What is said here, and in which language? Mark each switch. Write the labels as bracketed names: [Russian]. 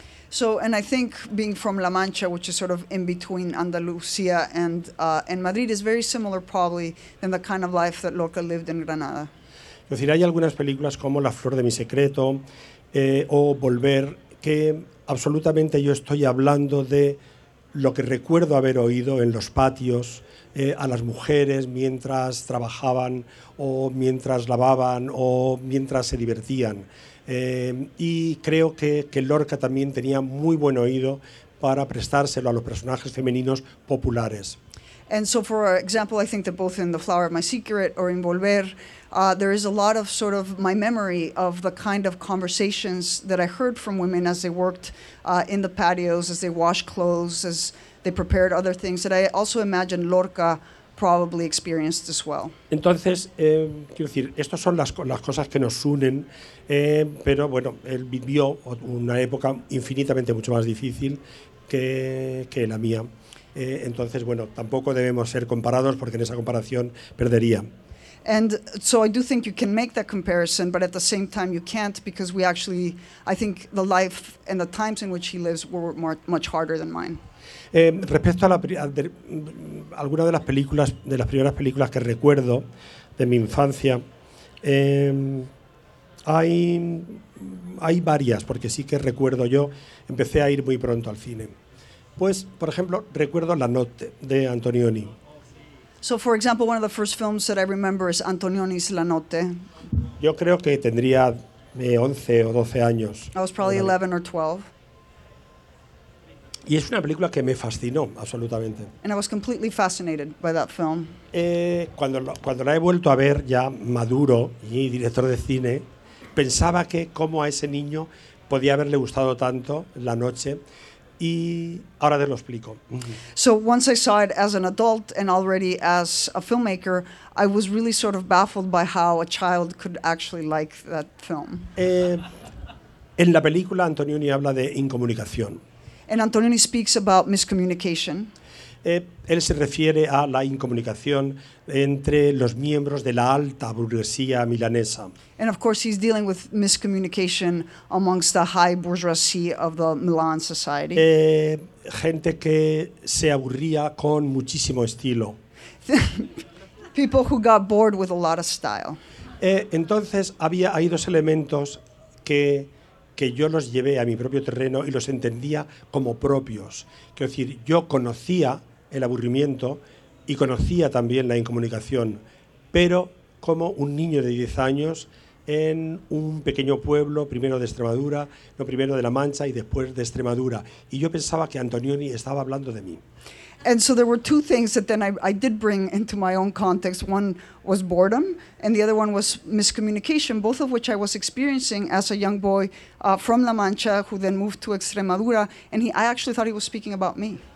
[English] So, and I think being from La Mancha, which is sort of in between Andalucía and Madrid, is very similar probably than the kind of life that Lorca lived in Granada. [Spanish] Es decir, hay algunas películas como La Flor de mi Secreto o Volver, que absolutamente yo estoy hablando de lo que recuerdo haber oído en los patios a las mujeres mientras trabajaban o mientras lavaban o mientras se divertían. Y creo que Lorca también tenía muy buen oído para prestárselo a los personajes femeninos populares. [English] And so, for example, I think that both in The Flower of My Secret or in Volver, there is a lot of sort of my memory of the kind of conversations that I heard from women as they worked in the patios, as they washed clothes, as they prepared other things that I also imagine Lorca probably experienced as well. [Spanish] Entonces, quiero decir, estas son las cosas que nos unen, pero bueno, él vivió una época infinitamente mucho más difícil que la mía. Entonces, bueno, tampoco debemos ser comparados porque en esa comparación perdería. [English] And so I do think you can make that comparison, but at the same time you can't, because we actually, I think the life and the times in which he lives were much harder than mine. [Spanish] Respecto a alguna de las películas, de las primeras películas que recuerdo de mi infancia, hay varias, porque sí que recuerdo, yo empecé a ir muy pronto al cine. Pues, por ejemplo, recuerdo La Notte de Antonioni. [English] So, for example, one of the first films that I remember is Antonioni's La Notte. [Spanish] Yo creo que tendría 11 o 12 años. [English] I was probably 11 or 12. [Spanish] Y es una película que me fascinó absolutamente. [English] And I was completely fascinated by that film. [Spanish] Cuando la he vuelto a ver ya maduro y director de cine, pensaba que cómo a ese niño podía haberle gustado tanto La Noche. Y ahora te lo explico. [English] So once I saw it as an adult and already as a filmmaker, I was really sort of baffled by how a child could actually like that film. [Spanish] En la película Antonioni habla de incomunicación. [English] And Antonioni speaks about miscommunication. [Spanish] Él se refiere a la incomunicación entre los miembros de la alta burguesía milanesa. [English] And of course he's dealing with miscommunication amongst the high bourgeoisie of the Milan society. [Spanish] Gente que se aburría con muchísimo estilo. [English] People who got bored with a lot of style. [Spanish] Entonces había ahí dos elementos que yo los llevé a mi propio terreno y los entendía como propios. Quiero decir, yo conocía el aburrimiento y conocía también la incomunicación, pero como un niño de 10 años en un pequeño pueblo, primero de Extremadura, no, primero de La Mancha y después de Extremadura. Y yo pensaba que Antonioni estaba hablando de mí. [English] And so there were two things that then I did bring into my own context. One was boredom, and the other one was miscommunication, both of which I was experiencing as a young boy from La Mancha, who then moved to Extremadura, and I actually thought he was speaking about me.